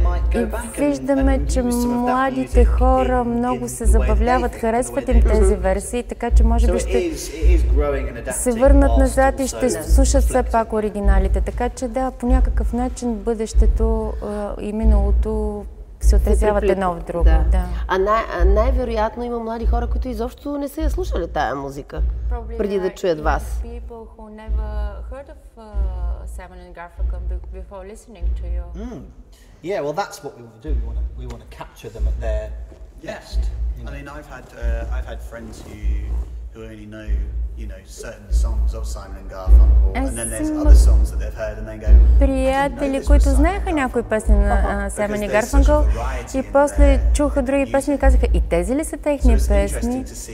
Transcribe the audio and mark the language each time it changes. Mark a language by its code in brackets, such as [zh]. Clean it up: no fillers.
[bg] И виждаме, че младите хора много се забавляват, харесват им тези версии, така че може би ще се върнат назад и ще слушат все пак оригиналите. Така че да, по някакъв начин бъдещето и миналото се отразяват едно в друго. Да. А най-вероятно има млади хора, които изобщо не са я слушали тая музика, [en] probably [bg] преди да чуят вас. [en] People who never heard of Simon and Garfunkel before listening to you. Mm. Yeah, well that's what we want to do. We want to capture them at their best. Yeah. You know? I mean, I've had friends who only know, you know, certain songs of Simon and Garfunkel, and then there's other songs that they've heard and then go. [bg] Приятели, които знаеха някои песни на Саймън и Гарфанкъл, и после чуха други песни и казаха, и тези ли са техни песни?